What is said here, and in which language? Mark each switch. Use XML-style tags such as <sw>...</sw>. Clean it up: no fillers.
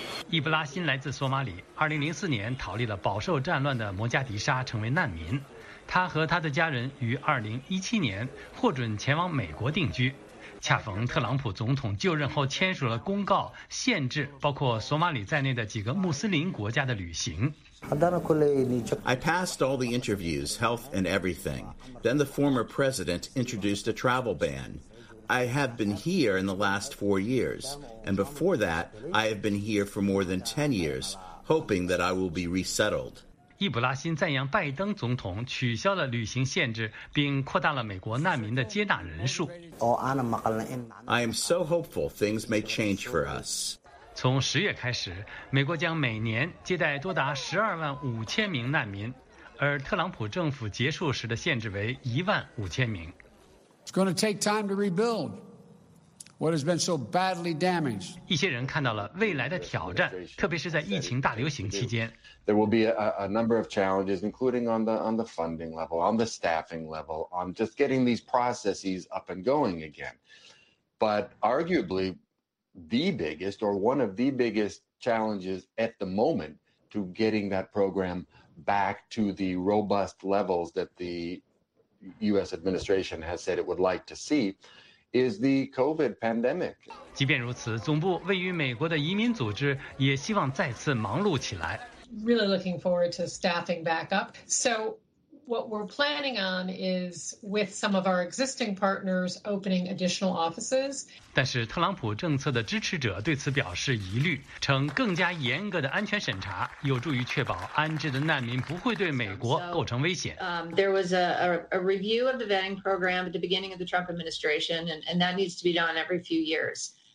<zh>伊布拉辛来自索马里，2004年逃离了饱受战乱的摩加迪沙，成为难民。他和他的家人于2017年获准前往美国定居。恰逢特朗普总统就任后签署了公告，限制包括索马里在内的几个穆斯林国家的旅行。</zh> <en>I passed all the interviews, health and everything. Then the former president introduced a travel ban. I have been here in the last 4 years, and before that, I have been here for more than 10 years, hoping that I will be resettled.</en> <zh>伊布拉辛赞扬拜登总统取消了旅行限制，并扩大了美国难民的接纳人数。</zh> <en>I am so hopeful things may change for us.</en> <zh>从十月开始，美国将每年接待多达12万5千名难民，而特朗普政府结束时的限制为15000名。</zh> <en>It's going to take time to rebuild what has been so badly damaged.</en> <zh>一些人看到了未来的挑战，特别是在疫情大流行期间。</zh> <en>There will be a number of challenges, including on the funding level, on the staffing level, on just getting these processes up and going again. But arguably, the biggest or one of the biggest challenges at the moment to getting that program back to the robust levels that the U.S. administration has said it would like to see is the COVID pandemic.</en> <zh>即便如此，总部位于美国的移民组织也希望再次忙碌起来。</zh> <en>Really looking forward to staffing back up. So what we're planning on is with some of our existing partners opening additional offices.</en> <zh>但是特朗普政策的支持者对此表示疑虑，称更加严格的安全审查有助于确保安置的难民不会对美国构成危险。</zh> <en>There was a review of the vetting program at the beginning of the Trump administration, and that needs to be done every few years.</en>